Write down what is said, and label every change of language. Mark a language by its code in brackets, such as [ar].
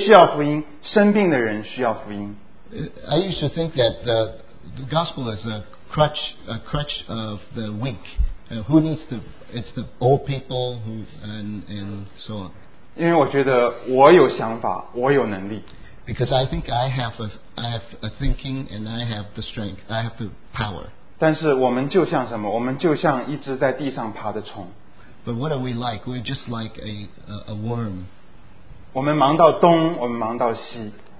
[zh] 这是以前我的想法。我觉得信仰就是软弱人的拐杖。谁需要福音？年纪大的需要福音。谁需要福音？生病的人需要福音。 [en] I used to think that the gospel is a crutch of the weak. Who needs the? It's the old people who and so on. [zh] 因为我觉得我有想法，我有能力。 [en] Because I think I have a thinking and I have the strength, I have the power. [zh] 但是我们就像什么？我们就像一只在地上爬的虫。 [en] But what are we like? We're just like a worm. [zh] 我们忙到东，我们忙到西。